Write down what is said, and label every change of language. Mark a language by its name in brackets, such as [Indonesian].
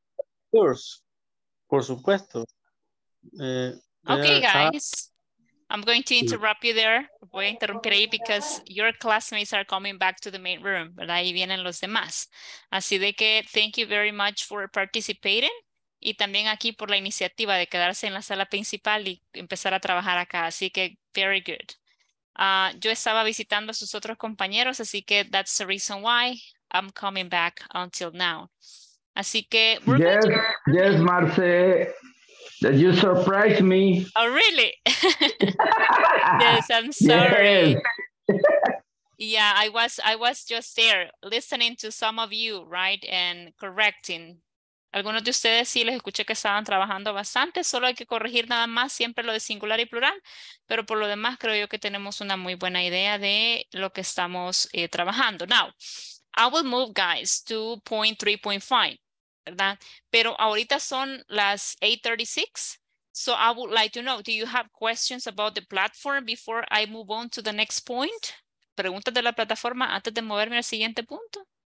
[English] Of course. [Spanish] Por supuesto. [English] Okay, guys. I'm going to interrupt you there. [Spanish] Voy a interrumpir ahí [English] because your classmates are coming back to the main room. ¿Verdad? [Spanish] Ahí vienen los demás. Así de que [English] thank you very much for participating. [Spanish] Y también aquí por la iniciativa de quedarse en la sala principal y empezar a trabajar acá. Así que [English] very good. [Spanish] Yo estaba visitando a sus otros compañeros, así que [English] that's the reason why I'm coming back until now. [Spanish] Así que [English] we're yes, going to... yes, Marce, that you surprised me. Oh, really? Yes, I'm sorry. Yes. Yeah, I was just there listening to some of you, right, and correcting. [Spanish] Algunos de ustedes sí les escuché que estaban trabajando bastante, solo hay que corregir nada más siempre lo de singular y plural, pero por lo demás creo yo que tenemos una muy buena idea de lo que estamos trabajando. [English] Now, I will move guys to point 3.5, ¿verdad? [Spanish] Pero ahorita son las 8:36, [English] so I would like to know, do you have questions about the platform before I move on to the next point? [Spanish] ¿Preguntas de la plataforma antes de moverme al siguiente punto?